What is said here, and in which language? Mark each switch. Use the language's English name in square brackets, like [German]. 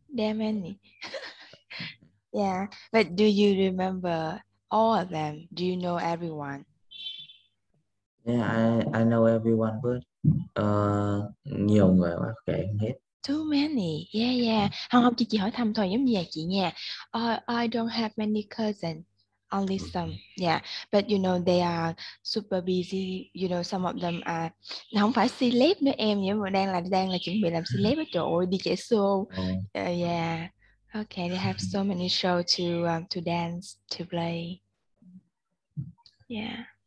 [English] There are many. Yeah. But do you remember all of them? Do you know everyone? Yeah, I know everyone, but [Vietnamese] nhiều người quá, kể không hết. [English] Too many, yeah, yeah. [Vietnamese] Không, chị hỏi thăm thôi, giống như vậy chị nha. [English] I don't have many cousins, only some, yeah. But you know, they are super busy, you know, some of them are, [Vietnamese] không phải celeb nữa em, nhưng mà đang là chuẩn bị làm celeb, trời ơi, đi chạy show. [English] Yeah, okay, they have so many show to dance, to play, yeah.